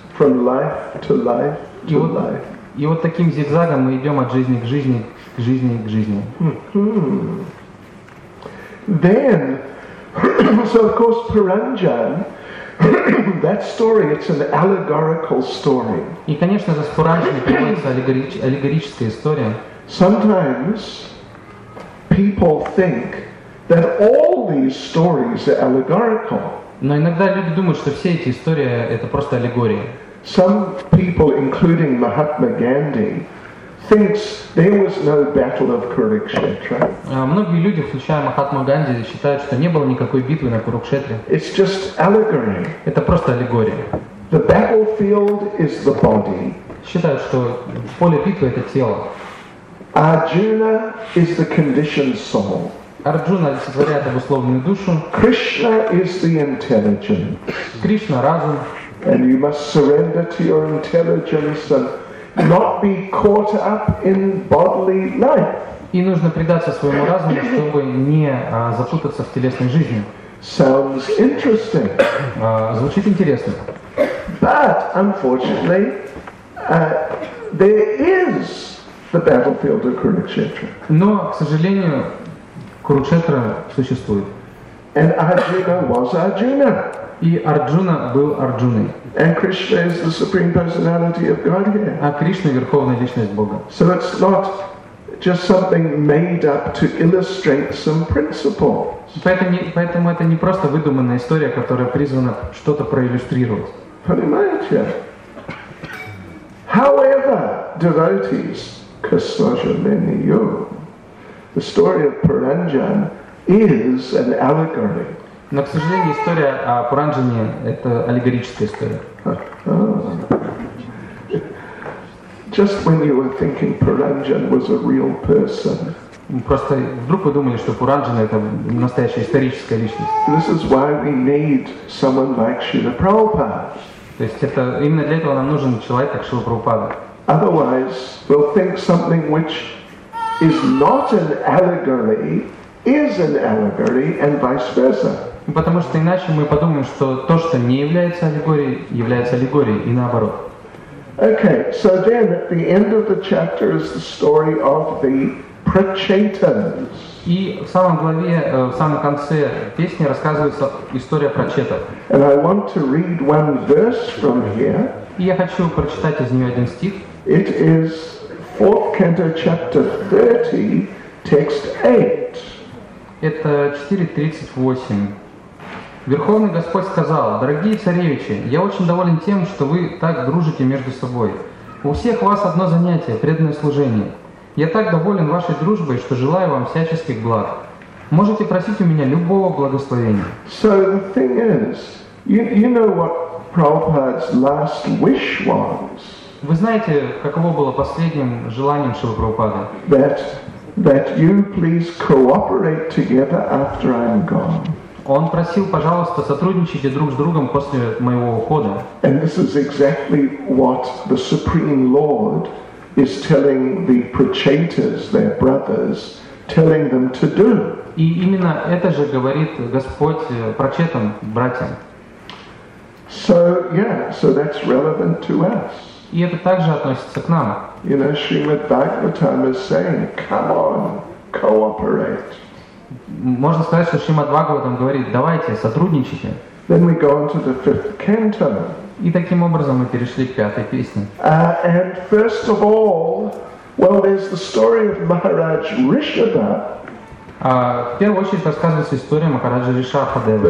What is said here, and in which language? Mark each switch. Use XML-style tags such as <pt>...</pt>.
<en>From life to life to</en> <ru>и вот,</ru> <en>life.</en> <ru>И вот таким зигзагом мы идем от жизни к жизни, к жизни к жизни.</ru> <en>Then, so of course, Puranjan, that story, it's an allegorical story.</en> <ru>И, конечно же, с Пуранджаной приводится аллегорическая история.</ru> <en>Sometimes people think that all these stories are allegorical.</en> <ru>Но иногда люди думают, что все эти истории – это просто аллегория.</ru> <en>Some people, including Mahatma Gandhi, thinks there was no battle of Kurukshetra.</en> <ru>Многие люди, включая Махатму Ганди, считают, что не было никакой битвы на Курукшетре.</ru> <en>It's just allegory.</en> <ru>Это просто аллегория.</ru> <en>The battlefield is the body.</en> <ru>Считают, что поле битвы это тело.</ru> <en>Arjuna is the conditioned soul.</en> <ru>Арджуна олицетворяет обусловленную душу.</ru> <en>Krishna is the intelligent.</en> <ru>Кришна разум.</ru> <en>And you must surrender to your intelligence and not be caught up in bodily life.</en> <ru>И нужно предаться своему разуму, чтобы не запутаться в телесной жизни.</ru> <en>Sounds interesting.</en> <ru>Звучит интересно.</ru> <en>But unfortunately, there is the battlefield of Kurukshetra.</en> <ru>Но, к сожалению, Курукшетра существует.</ru> <en>And Arjuna was Arjuna.</en> <ru>И Арджуна был Арджуной.</ru> <en>And Krishna is the supreme personality of Godhead.</en> <ru>А Кришна — верховная личность Бога.</ru> <en>So it's not just something made up to illustrate some principle.</en> <ru>Поэтому это не просто выдуманная история, которая призвана что-то проиллюстрировать. Понимаете?</ru> <en>However, devotees, Kasmajamini Yu, the story of Paranjan is an allegory.</en> <ru>Но, к сожалению, история о Паранджане — это аллегорическая история.</ru> <en>Just when you were thinking Paranjan was a real person.</en> <ru>Просто вдруг вы думали, что Паранджана — это настоящая историческая личность.</ru> <en>This is why we need someone like Śrīla Prabhupāda.</en> <ru>То есть это именно для этого нам нужен человек, как Шрила Прабхупада.</ru> <en>Otherwise, we'll think something which is not an allegory is an allegory, and vice versa.</en> <ru>Потому что иначе мы подумаем, что то, что не является аллегорией, является аллегорией, и наоборот.</ru> <en>Okay, so then at the end of the chapter is the story of the Prachetas.</en> <ru>И в самом главе, в самом конце песни рассказывается история Прачетов.</ru> <en>And I want to read one verse from here.</en> <ru>И я хочу прочитать из нее один стих.</ru> <en>It is 4th Canto, chapter 30, text 8.</en> <ru>Это 4.38. Верховный Господь сказал: «Дорогие царевичи, я очень доволен тем, что вы так дружите между собой. У всех вас одно занятие – преданное служение. Я так доволен вашей дружбой, что желаю вам всяческих благ. Можете просить у меня любого благословения».</ru> <en>So the thing is, you know what Prabhupada's last wish was?</en> <ru>Вы знаете, каково было последним желанием Шрилы Прабхупады?</ru> <en>That you please cooperate together after I'm gone.</en> <ru>Он просил: пожалуйста, сотрудничайте друг с другом после моего ухода.</ru> <en>And this is exactly what the Supreme Lord is telling the Prachetas, their brothers, telling them to do.</en> <ru>И именно это же говорит Господь Прачетам, братьям.</ru> <en>So, yeah, so that's relevant to us.</en> <ru>И это также относится к нам.</ru> <en>You know, Srimad Bhagavatam is saying, come on, cooperate.</en> <ru>Можно сказать, что Шримад Бхагаватам говорит: давайте, сотрудничайте.</ru> <en>Then we go on to the fifth canto.</en> <ru>И таким образом мы перешли к пятой песне.</ru> <en>And first of all, well, there's the story of Maharaj Rishabha.</en> <ru>В первую очередь рассказывается история Махараджа Ришабхадевы.</ru>